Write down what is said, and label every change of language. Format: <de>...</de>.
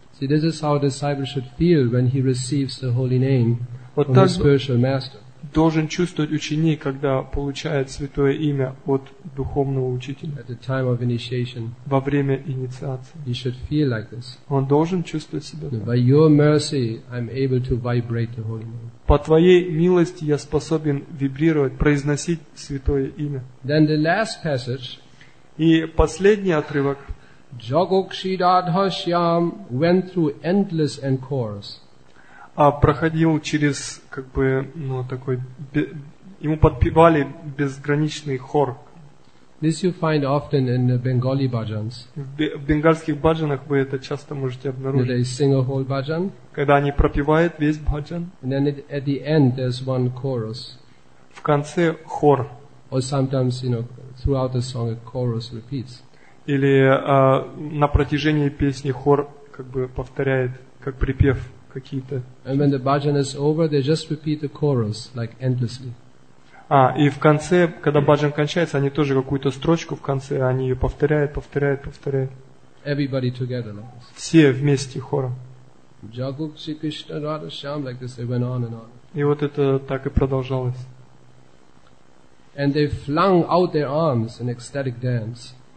<en>See, this is how a disciple should feel when he receives the holy name from his spiritual master.</en> <ru>Должен чувствовать ученик, когда получает святое имя от духовного учителя.</ru> <en>At the time of initiation,</en> <ru>во время инициации.</ru> <en>He should feel like this.</en> <ru>Он должен чувствовать себя так.</ru> <en>By your mercy, I'm able to vibrate the holy name.</en> <ru>По твоей милости я способен вибрировать, произносить святое имя.</ru> <en>Then the last passage.</en> <ru>И последний отрывок.</ru> <en>Jagokshidadhasyam went through endless encores.</en> <ru>А проходил через как бы ну такой ему подпевали безграничный хор.</ru> <en>This you find often in the Bengali bhajans.</en> <ru>В бенгальских бхаджанах вы это часто можете обнаружить.</ru> <en>They sing a whole bhajan.</en> <ru>Когда они пропевают весь бхаджан.</ru> <en>And then at the end there's one chorus.</en> <ru>В конце хор.</ru> <en>Or sometimes you know throughout the song a chorus repeats.</en> <ru>Или на протяжении песни хор как бы повторяет как припев. Какие-то.</ru> <en>And when the bhajan is over, they just repeat the chorus like endlessly.</en> <ru>И в конце, когда bhajan кончается, они тоже какую-то строчку в конце, они ее повторяют, повторяют, повторяют.</ru> <en>Everybody together like this.</en> <ru>Все вместе хором.</ru> <en>Jagup Shri Krishna Radha Shyam like this, they went on and on.</en> <ru>И вот это так и продолжалось.</ru> <en>And they flung out their arms in ecstatic dance.</en>